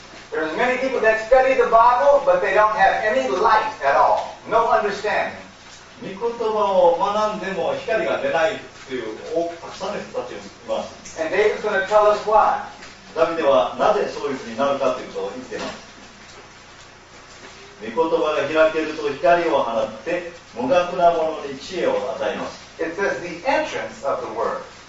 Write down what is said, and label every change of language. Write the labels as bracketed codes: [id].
[en] There's many people that study the Bible, but they don't have any light at all. No understanding. [ja] 御言葉を学んでも光が出ないというたくさんの人たちがいます。 [en] And David's going to tell us why. [ja] ダビデはなぜそういうふうになるかということを言っています。御言葉が開けると光を放って、無学な者に知恵を与えます。 [en] It says the entrance of the word.